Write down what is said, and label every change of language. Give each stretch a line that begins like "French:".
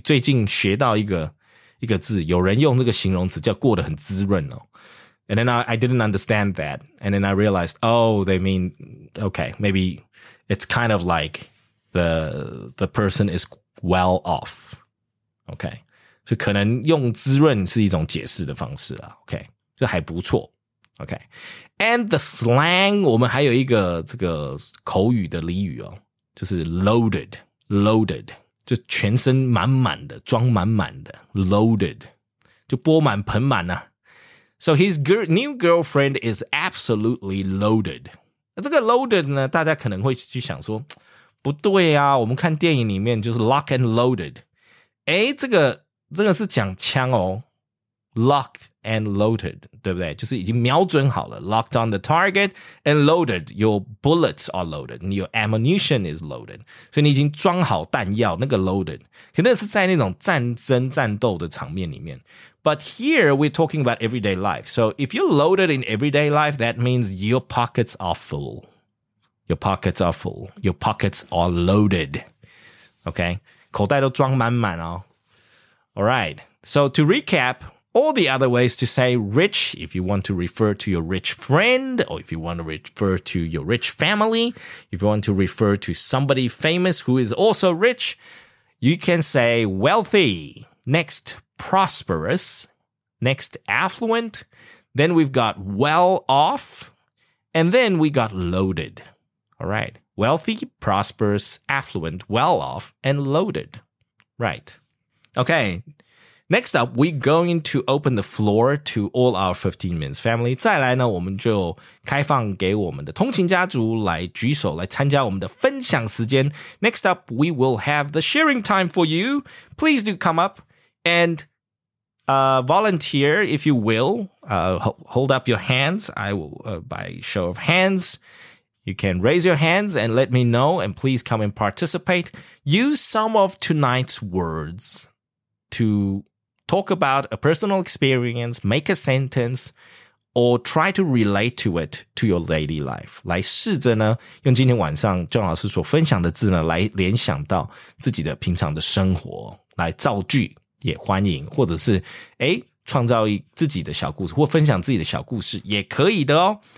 Chinese: 最近学到一个字有人用这个形容词叫过得很滋润哦。
English: And then I didn't understand that. And then I realized, oh, they mean, okay, maybe it's kind of like the person is well off. Okay.
Chinese: 所以可能用滋润是一种解释的方式啦。 Okay. 就还不错。Okay.
English: And the slang,
Chinese: 我们还有一个这个口语的俚语哦。就是 loaded. Loaded. 就全身满满的装满满的 loaded. 就钵满盆满啊。
English: So his new girlfriend is absolutely loaded.
Chinese: 这个 loaded 呢大家可能会去想说不对啊我们看电影里面就是 lock and loaded. 诶这个是讲枪哦
English: locked and loaded,
Chinese: 对不对就是已经瞄准好了
English: locked on the target and loaded, your bullets are loaded, your ammunition is loaded.
Chinese: 所以你已经装好弹药那个 loaded, 可能是在那种战争战斗的场面里面。
English: But here, we're talking about everyday life. So if you're loaded in everyday life, that means your pockets are full. Your pockets are full. Your pockets are loaded. Okay?
Chinese: 口袋都装满满哦。
English: All right. So to recap, All the other ways to say rich, if you want to refer to your rich friend, or if you want to refer to your rich family, if you want to refer to somebody famous who is also rich, you can say wealthy. Next, prosperous. Next, affluent. Then we've got well off. And then we got loaded. All right. Wealthy, prosperous, affluent, well off, and loaded. Right. Okay. Next up, we're going to open the floor to all our 15 Minutes family.
Chinese: 再来呢，我们就开放给我们的通勤家族来举手，来参加我们的分享时间。
English: Next up, we will have the sharing time for you. Please do come up and volunteer, if you will. Hold up your hands. I will, by show of hands, you can raise your hands and let me know. And please come and participate. Use some of tonight's words to... Talk about a personal experience, make a sentence, or try to relate to it to your daily life.
Chinese: 来试着呢，用今天晚上郑老师所分享的字呢，来联想到自己的平常的生活，来造句也欢迎，或者是诶，创造自己的小故事，或分享自己的小故事也可以的哦。